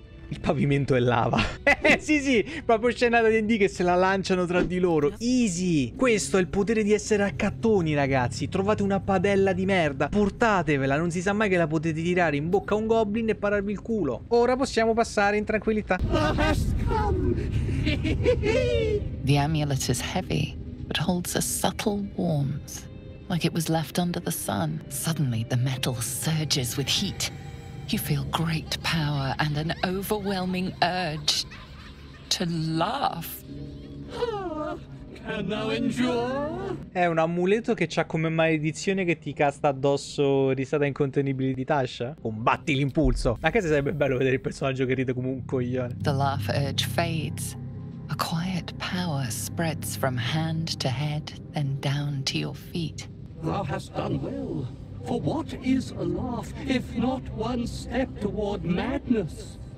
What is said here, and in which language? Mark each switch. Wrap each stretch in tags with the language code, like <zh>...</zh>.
<it>Il pavimento è lava. Sì sì, proprio scena da D&D che se la lanciano tra di loro. Easy. Questo è il potere di essere a cattoni, ragazzi. Trovate una padella di merda, portatevela, non si sa mai che la potete tirare in bocca a un goblin e pararvi il culo. Ora possiamo passare in tranquillità.</it> <en>The amulet is heavy, but holds a subtle warmth, like it was left under the sun. Suddenly the metal surges with heat. You feel great power and an overwhelming urge to laugh. Can thou endure?</en> <it>È un amuleto che c'ha come maledizione che ti casta addosso risata incontenibile di Tasha. Combatti l'impulso. Anche se sarebbe bello vedere il personaggio che ride come un coglione.</it> <en>The laugh urge fades. A quiet power spreads from hand to head, then down to your feet. Thou hast done well. For what is a laugh, if not one step toward madness?</en>